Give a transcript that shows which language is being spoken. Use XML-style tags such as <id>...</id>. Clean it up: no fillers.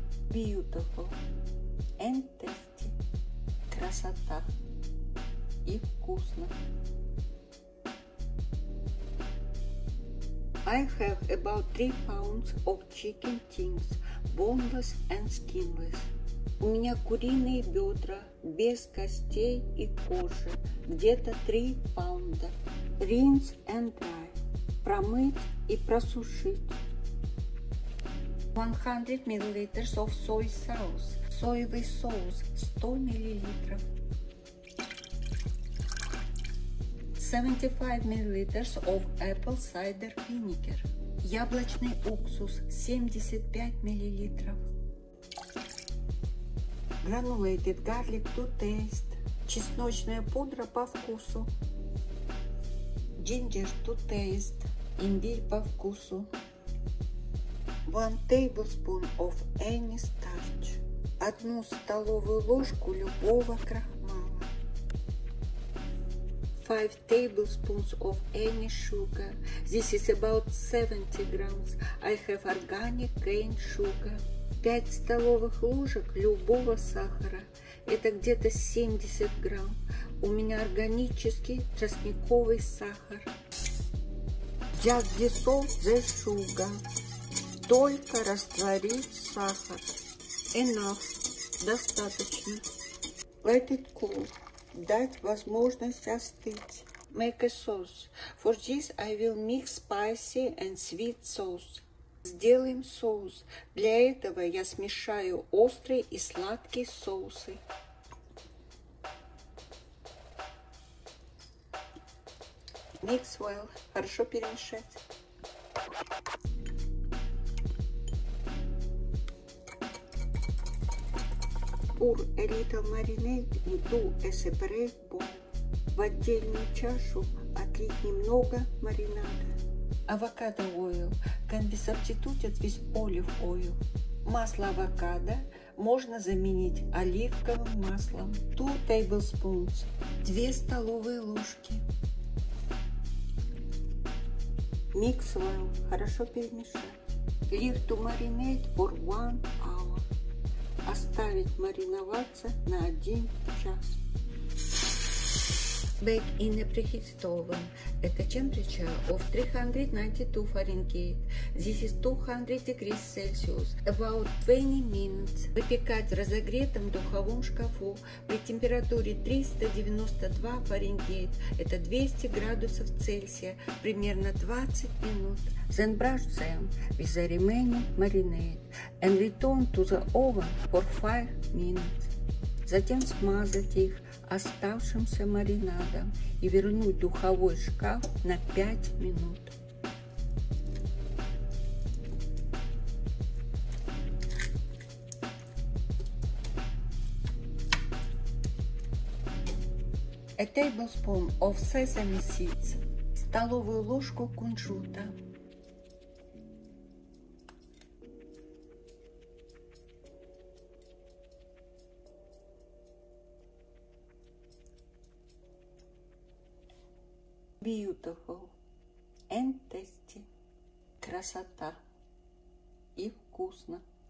<en>beautiful, entity,</en> <ru>красота и вкусно.</ru> <en>I have about 3 pounds of chicken things, boneless and skinless.</en> <ru>У меня куриные бедра без костей и кожи, где-то 3 pounds.</ru> <en>Rinse and dry.</en> <ru>Промыть и просушить.</ru> <en>100 ml of soy sauce.</en> <ru>Соевый соус 100 ml.</ru> <en>75 ml of apple cider vinegar.</en> <ru>Яблочный уксус 75 ml.</ru> <en>Granulated garlic to taste.</en> <ru>Чесночная пудра по вкусу.</ru> <en>Ginger to taste.</en> <ru>Имбирь по вкусу.</ru> <en>1 tablespoon of any starch.</en> <ru>1 столовую ложку любого крахмала.</ru> <en>5 tablespoons of any sugar. This is about 70 grams. I have organic cane sugar.</en> <ru>5 столовых ложек любого сахара. Это где-то 70 грамм. У меня органический тростниковый сахар.</ru> <en>Just dissolve the sugar.</en> <ru>Только растворить сахар.</ru> <en>Enough.</en> <ru>Достаточно.</ru> <en>Let it cool.</en> <ru>Дать возможность остыть.</ru> <en>Make a sauce. For this I will mix spicy and sweet sauce.</en> <ru>Сделаем соус. Для этого я смешаю острый и сладкий соусы.</ru> <en>Mix well.</en> <ru>Хорошо перемешать.</ru> <en>Pour a little marinade into a separate bowl.</en> <ru>В отдельную чашу отлить немного маринада.</ru> <en>Авокадо ойл. Can be substituted with olive oil.</en> <ru>Масло авокадо можно заменить оливковым маслом.</ru> <en>2 tablespoons.</en> <ru>2 столовые ложки.</ru> <en>Mix well.</en> <ru>Хорошо перемешать.</ru> <en>Leave to marinate for 1 hour.</en> <ru>Оставить мариноваться на 1 час.</ru> <en>Bake in a preheated oven.</en> <ru>Это</ru> <en>temperature of 392 Fahrenheit. This is 200 degrees Celsius. About 20 minutes.</en> <ru>Выпекать в разогретом духовом шкафу при температуре 392 Fahrenheit. Это 200 градусов Цельсия. Примерно 20 минут.</ru> <en>Then brush them with the remaining marinade. And return to the oven for 5 minutes.</en> <ru>Затем смазать их оставшимся маринадом и вернуть в духовой шкаф на 5 минут.</ru> <en>A tablespoon of sesame seeds.</en> <ru>Столовую ложку кунжута.</ru> <en>Beautiful and tasty.</en> <ru>Красота и вкусно.</ru>